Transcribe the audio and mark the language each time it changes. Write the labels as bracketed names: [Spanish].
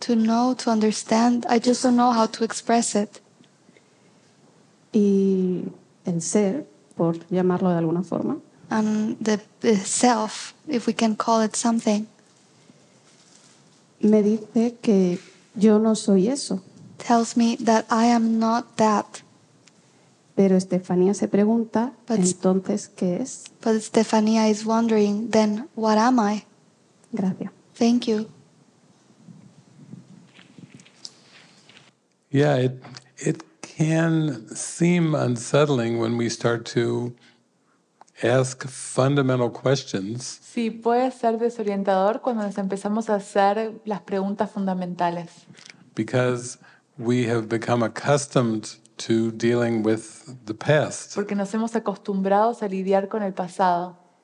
[English] To know, to understand, I just don't know how to express it. [Spanish] Y el ser, por llamarlo de alguna forma. [English] And the self, if we can call it something. [Spanish] Me dice que yo no soy eso. [English] Tells me that I am not that. [Spanish] Pero Estefanía se pregunta, entonces, ¿qué es? [English] But Estefanía is wondering, then, what am I? [Spanish] Gracias. [English] Thank you. Yeah, it can seem unsettling when we start to ask fundamental questions. [Spanish] Sí, puede ser desorientador cuando nos empezamos a hacer las preguntas fundamentales. [English] Because we have become accustomed to dealing with the past. [Spanish] Porque nos hemos acostumbrado a lidiar con el pasado.